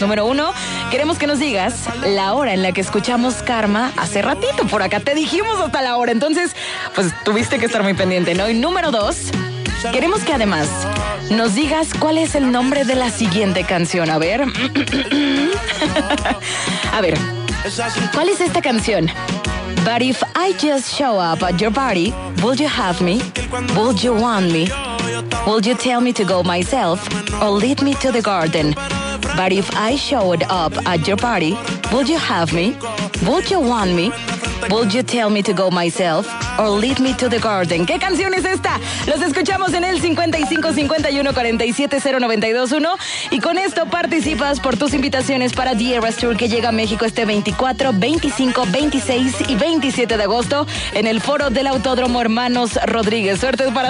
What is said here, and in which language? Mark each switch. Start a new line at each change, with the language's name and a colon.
Spanish: Número uno, queremos que nos digas la hora en la que escuchamos Karma hace ratito. Por acá te dijimos hasta la hora, entonces, pues tuviste que estar muy pendiente, ¿no? Y número dos, queremos que además nos digas cuál es el nombre de la siguiente canción. A ver. A ver, ¿cuál es esta canción?
English: But if I just show up at your party, will you have me? Will you want me? Will you tell me to go myself or lead me to the garden? But if I showed up at your party, will you have me? Will you want me? Will you tell me to go myself or lead me to the garden?
Spanish: ¿Qué canción es esta? Los escuchamos en el 55 51 47 092 1, y con esto participas por tus invitaciones para The Eras Tour, que llega a México este 24, 25, 26 y 27 de agosto en el Foro del Autódromo Hermanos Rodríguez. Suerte para todos.